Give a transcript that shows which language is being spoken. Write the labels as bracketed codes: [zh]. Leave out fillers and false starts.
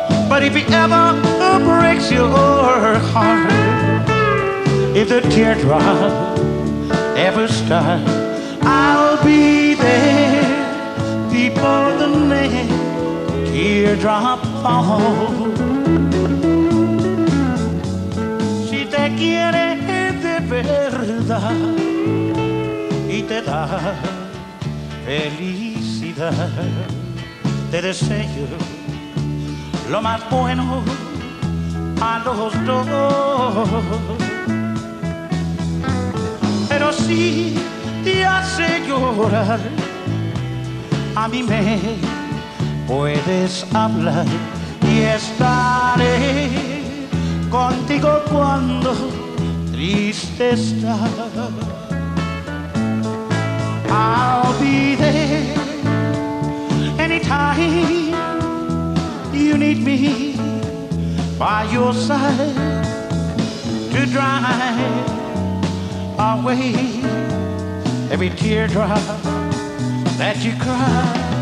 [en] But if it ever breaks your heart, if the teardrop ever starts, I'll be there before the next teardrop falls. [es] Si te quiere de verdad y te da felicidad, te deseo lo más bueno a los dos. Pero si te hace llorar, a mí me puedes hablar y estaré contigo cuando triste estás. [en] I'll be there anytime you need me by your side to dry away every teardrop that you cry.